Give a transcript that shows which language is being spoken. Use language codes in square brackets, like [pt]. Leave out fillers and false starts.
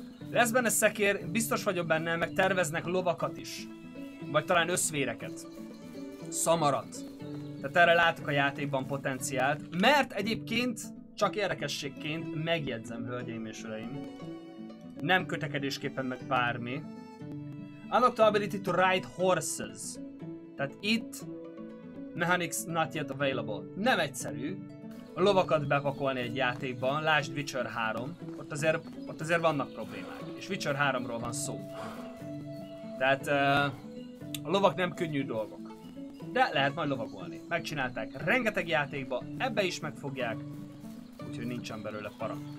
[hu] Lesz benne szekér, biztos vagyok benne, meg terveznek lovakat is. Vagy talán összvéreket. Szamarat. Tehát erre látok a játékban potenciált. Mert egyébként, csak érdekességként, megjegyzem, hölgyeim és uraim. Nem kötekedésképpen meg bármi. [en] Unlocked ability to ride horses. [hu] Tehát itt, [en] mechanics not yet available. [hu] Nem egyszerű a lovakat bepakolni egy játékban, lásd Witcher 3, ott azért vannak problémák. És Witcher 3-ról van szó. Tehát a lovak nem könnyű dolgok. De lehet majd lovagolni. Megcsinálták rengeteg játékba, ebbe is megfogják, úgyhogy nincsen belőle para.